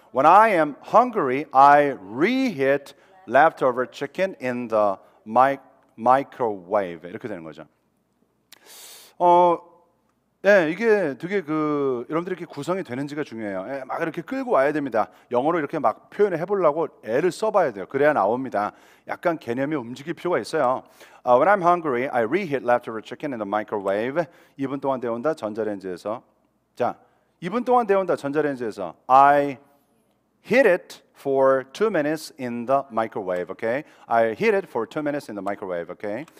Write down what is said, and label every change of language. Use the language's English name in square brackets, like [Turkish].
[English] When I am hungry, I reheat leftover chicken in the microwave. [Korean] 이렇게 되는 거죠. 예, 이게 되게 그 여러분들이 이렇게 구성이 되는지가 중요해요. 예, 막 이렇게 끌고 와야 됩니다. 영어로 이렇게 막 표현을 해보려고 애를 써봐야 돼요. 그래야 나옵니다. 약간 개념이 움직일 필요가 있어요. [English] When I'm hungry, I reheat leftover chicken in the microwave. [Korean] 2분 동안 데운다, 전자레인지에서. 자, 2분 동안 데운다, 전자레인지에서. [English] I heat it for 2 minutes in the microwave, okay? I heat it for 2 minutes in the microwave, okay?